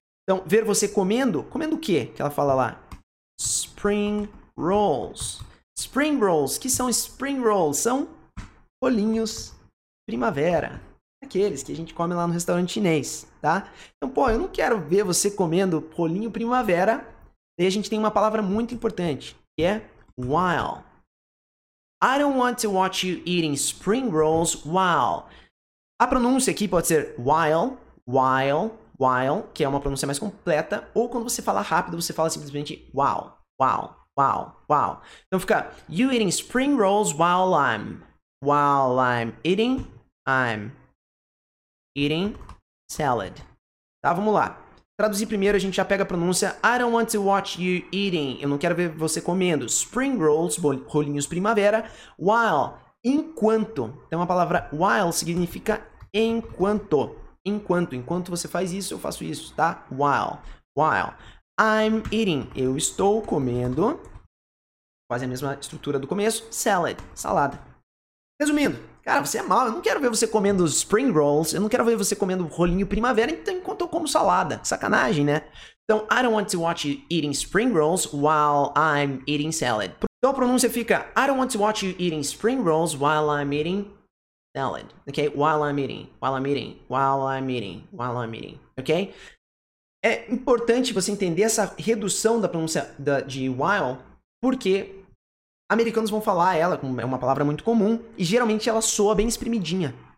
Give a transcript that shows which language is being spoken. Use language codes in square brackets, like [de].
[pt] Então, ver você comendo. Comendo o quê? Que ela fala lá. Spring rolls. Spring rolls. Que são spring rolls? São rolinhos primavera. Aqueles que a gente come lá no restaurante chinês, tá? Então, pô, eu não quero ver você comendo rolinho primavera. Daí a gente tem uma palavra muito importante, que é while. [en] I don't want to watch you eating spring rolls while. [pt] A pronúncia aqui pode ser while, que é uma pronúncia mais completa, ou quando você fala rápido, você fala simplesmente wow. Então fica, [en] you eating spring rolls while I'm eating salad. [pt] Tá, vamos lá. Traduzir primeiro, a gente já pega a pronúncia. [en] I don't want to watch you eating. [pt] Eu não quero ver você comendo. Spring rolls, rolinhos primavera. While, enquanto. Então a palavra while significa enquanto. Enquanto você faz isso, eu faço isso, tá? [en] While. I'm eating. [pt] Eu estou comendo. Quase a mesma estrutura do começo. Salad, salada. Resumindo. Cara, você é mal. Eu não quero ver você comendo spring rolls. Eu não quero ver você comendo rolinho primavera enquanto eu como salada. Sacanagem, né? [en] Então, I don't want to watch you eating spring rolls while I'm eating salad. [pt] Então, a pronúncia fica, [en] I don't want to watch you eating spring rolls while I'm eating salad. Ok? While I'm eating. Ok? [pt] É importante você entender essa redução da pronúncia de while, porque americanos vão falar ela, é uma palavra muito comum, e geralmente ela soa bem espremidinha.